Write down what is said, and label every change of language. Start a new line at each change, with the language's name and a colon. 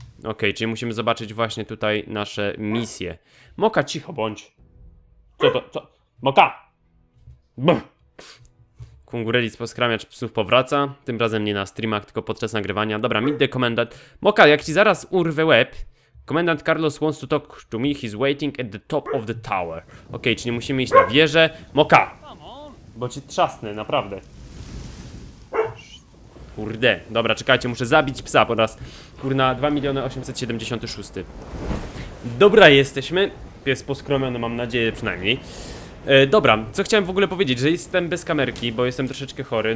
Polish: Okej, okay, czyli musimy zobaczyć właśnie tutaj nasze misje. Moka, cicho bądź. Co? Moka! Bum. Kungurelis poskramiacz psów powraca, tym razem nie na streamach, tylko podczas nagrywania. Dobra,
English: meet the commandant.
Polish: Moka, jak ci zaraz urwę łeb.
English: Commandant Carlos wants to talk to me, he's waiting at the top of the tower.
Polish: Okej, czyli musimy iść na wieżę. Moka! Bo ci trzasnę, naprawdę. Kurde, dobra, czekajcie, muszę zabić psa po raz. Kurna, 2876. Dobra, jesteśmy. Pies poskromiony, mam nadzieję przynajmniej. Dobra, co chciałem w ogóle powiedzieć, że jestem bez kamerki, bo jestem troszeczkę chory.